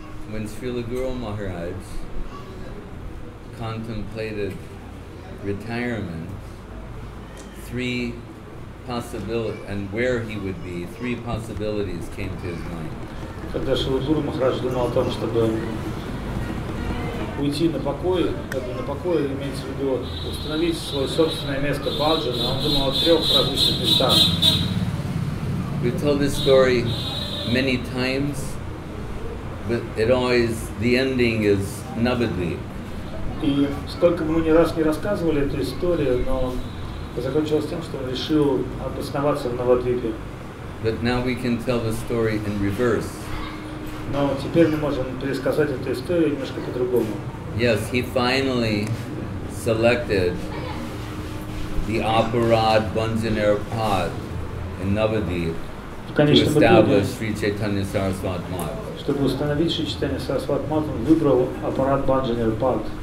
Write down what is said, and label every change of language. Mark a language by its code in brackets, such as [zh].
[en] when Srila Guru Maharaj contemplated retirement, three possibilities, and where he would be, three possibilities came to his mind. [ru] Когда Шрила Гуру Махарадж думал о том, чтобы уйти на покой, на покой имеется в виду установить свое собственное место баджана, он думал о трех различных местах. [en] We told this story many times, but it always the ending is Navadvip. [ru] И столько мы ни раз не рассказывали эту историю, но закончилось тем, что он решил обосноваться в Навадвипе. [en] But now we can tell the story in reverse. [ru] Но теперь мы можем пересказать эту историю немножко по-другому. [en] Yes, he finally selected the Aparad Bunjaner Pad in Navadvip. To establish Sri Chaitanya Saraswat Mat. [ru] Чтобы установить Шри Чайтанья Сарасват Мат, он выбрал аппарат Баджанер Пад.